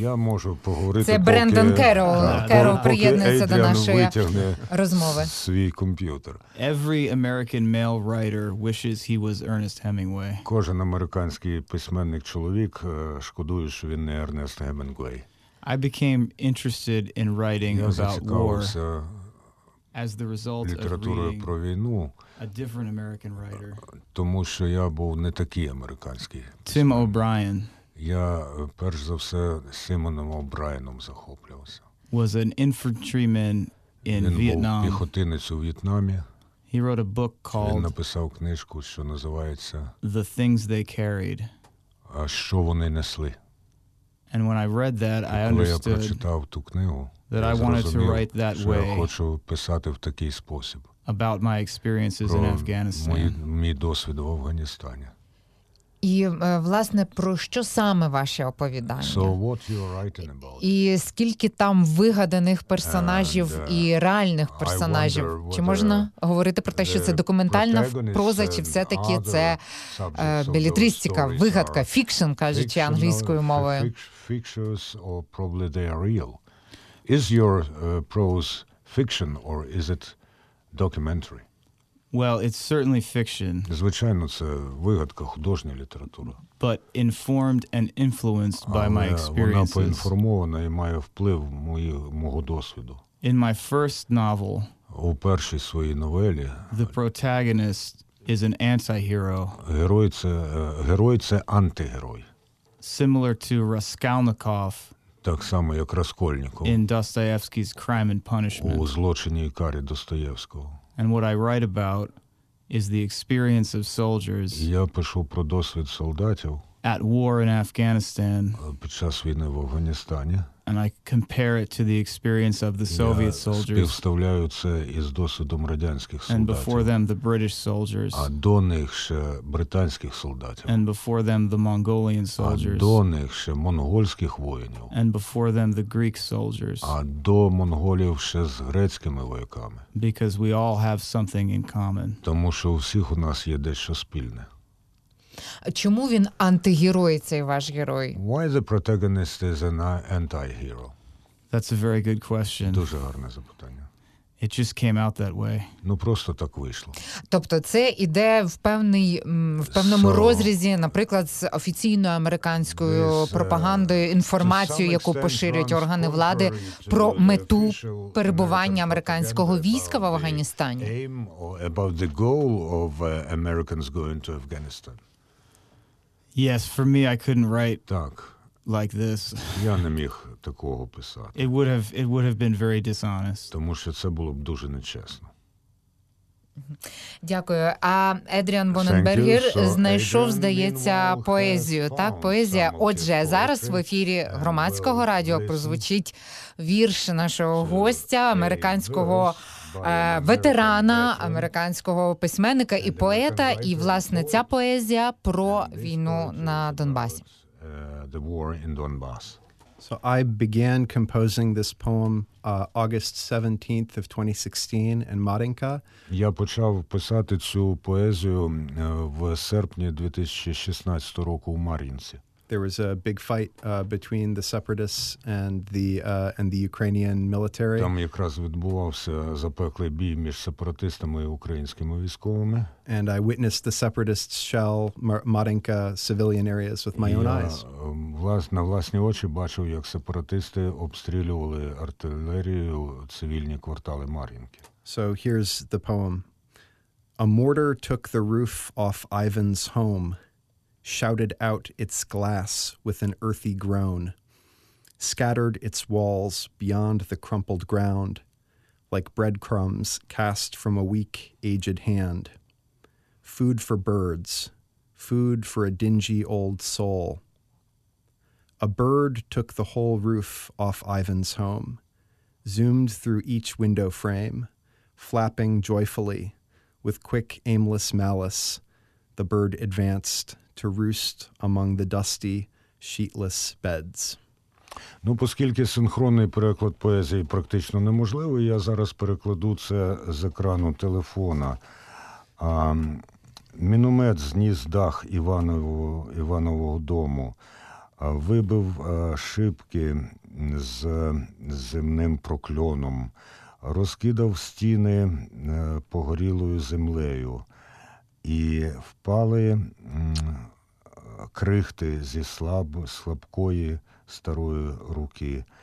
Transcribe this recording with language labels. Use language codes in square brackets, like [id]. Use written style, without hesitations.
[uk] Я можу поговорити. Це Брендон Керол приєднується до нашої розмови. Свій комп'ютер. [en] Every American male writer wishes he was Ernest Hemingway. [uk] Кожен американський письменник чоловік шкодує, що він не Ернест Гемінгвей. [en] I became interested in writing about war as the result of reading a different American writer. [uk] Тому що я був не такий американський. [en] Tim O'Brien. [uk] Я перш за все Сімоном О'Брайеном захоплювався. [en] Was an infantryman in Vietnam. [uk] Він був піхотинець у В'єтнамі. [en] He wrote a book called. [uk] Він написав книжку, що називається [en] The Things They Carried. [uk] А що вони несли? [en] And when I read that, I understood [uk] книгу, [en] that I wanted to write that way [uk] спосіб, [en] about my experiences in Afghanistan. [uk] Мій досвід в Афганістані. І, власне, про що саме ваше оповідання? [en] So what you're writing about? [uk] І скільки там вигаданих персонажів і реальних персонажів? Чи можна говорити про те, що це документальна проза, чи все-таки це белітристика, вигадка, фікшн, кажучи англійською мовою? [en] Fictions or probably they are real. Is your prose fiction or is it documentary? Well, it's certainly fiction. [uk] Звичайно, це вигадка, художня література. [en] But informed and influenced by my experiences. [uk] Вона поінформована і має вплив мого досвіду. [en] In my first novel, [uk] у першій своїй новелі, [en] the protagonist is an anti-hero. [uk] Герой це антигерой. [en] Similar to Raskolnikov, [uk] так само як Раскольников, [en] in Dostoevsky's Crime and Punishment, [uk] у злочині і карі Достоєвського. [en] And what I write about is the experience of soldiers. [uk] Я пишу про досвід солдатів. [en] At war in Afghanistan. [uk] Під час війни в Афганістані. [en] And I compare it to the experience of the Soviet soldiers. [uk] Я співставляю це із досвідом радянських солдатів. [en] And before them the British soldiers. [uk] А до них ще британських солдатів. [en] And before them the Mongolian soldiers. [uk] А до них ще монгольських воїнів. [en] And before them the Greek soldiers. [uk] А до монголів ще з грецькими вояками. [en] Because we all have something in common. [uk] Тому що у всіх у нас є дещо спільне. Чому він антигерой, цей ваш герой? [en] Why the protagonist is an anti-hero? That's a very good question. Дуже гарне запитання. It just came out that way. [uk] Ну, просто так вийшло. Тобто це йде в певному розрізі, наприклад, з офіційною американською пропагандою, інформацією, яку поширюють органи влади, про мету перебування американського війська в Афганістані. [en] About the goal of Americans going to Afghanistan. Yes, for me I couldn't write [uk] так. [en] Like this. [uk] Я не міг такого писати. [en] It would have been very dishonest. [uk] Тому що це було б дуже нечесно. Дякую. А Едріан Боненбергер знайшов, здається, поезію. Так, поезія. Отже, зараз в ефірі громадського радіо прозвучить вірш нашого гостя, американського ветерана, американського письменника і поета, і, власне, ця поезія про війну на Донбасі. [en] The war in Donbass. So I began composing this poem August 17th of 2016 in Маринка. [uk] Я почав писати цю поезію в серпні 2016 року у Мар'їнці. [en] There was a big fight between the separatists and the Ukrainian military. [uk] Там якраз відбувався запеклий бій між сепаратистами і українськими військовими. [en] And I witnessed the separatists shell Marinka civilian areas with my own eyes. [uk] На власні очі бачив, як сепаратисти обстрілювали артилерією цивільні квартали Мар'їнки. [en] So here's the poem. A mortar took the roof off Ivan's home, shouted out its glass with an earthy groan, scattered its walls beyond the crumpled ground, like breadcrumbs cast from a weak, aged hand. Food for birds, food for a dingy old soul. A bird took the whole roof off Ivan's home, zoomed through each window frame, flapping joyfully, with quick, aimless malice, the bird advanced to roost among the dusty, sheetless beds. [uk] Ну, оскільки синхронний переклад поезії практично неможливий, я зараз перекладу це з екрану телефона. Міномет зніс дах Іванового дому, вибив шибки з земним прокльоном, розкидав стіни погорілою землею, і впали крихти зі слабкої старої руки.